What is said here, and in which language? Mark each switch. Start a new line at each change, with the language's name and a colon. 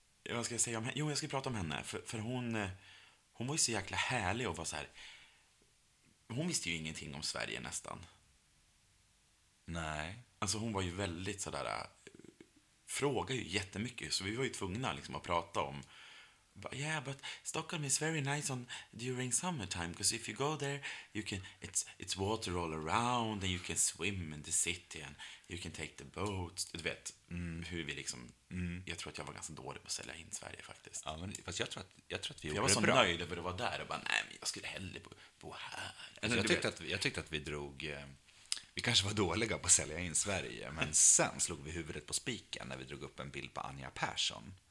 Swedish: vad ska jag säga om henne? Jo, jag ska prata om henne. För hon var ju så jäkla härlig och var så här. Hon visste ju ingenting om Sverige nästan. Nej. Alltså hon var ju väldigt sådär. Frågade ju jättemycket. Så vi var ju tvungna liksom att prata om.
English: Yeah, but Stockholm is very nice on during summertime, because if you go there you can, it's water all around and you can swim in the city and you can take the boat.
Swedish: Du vet, hur vi liksom, jag tror att jag var ganska dålig på att sälja in Sverige faktiskt. Ja, men fast jag tror att vi var så bra. Nöjd över att vara där och bara nej, men jag skulle hellre bo här. Alltså, jag tyckte att vi drog, vi kanske var dåliga på att sälja in Sverige, men sen slog vi huvudet på spiken när vi drog upp en bild på Anja Persson.